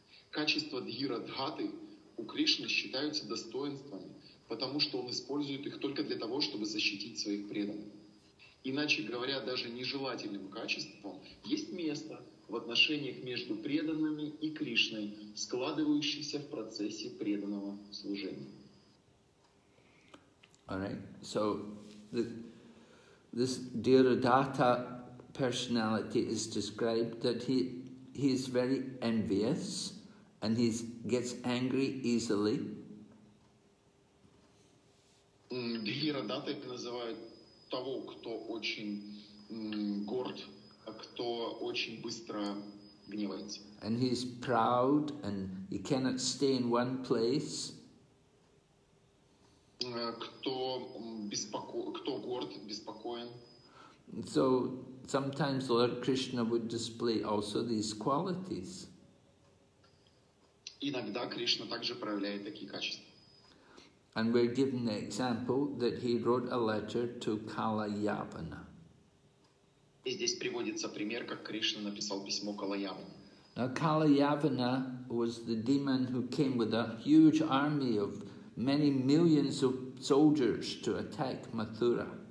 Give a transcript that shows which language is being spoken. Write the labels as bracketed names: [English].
[Russian] Качества дхирадхаты у Кришны считаются достоинствами, потому что он использует их только для того, чтобы защитить своих преданных. Иначе говоря, даже нежелательным качеством есть место в отношениях между преданными и Кришной, складывающейся в процессе преданного служения. [English] All right. So this Dhiradhata personality is described that he is very envious and he gets angry easily. [Russian] Дхирадхата называют того, кто очень горд, кто очень быстро гневается. [English] And he's proud and he cannot stay in one place. [Russian] Кто горд, беспокоен. [English] So sometimes Lord Krishna would display also these qualities. [Russian] Иногда Кришна также проявляет такие качества. [English] And we're given the example that he wrote a letter to Kalayavana. [Russian] И здесь приводится пример, как Кришна написал письмо Калаяване. [English] Now Kalayavana was the demon who came with a huge army of many millions of soldiers to attack Mathura.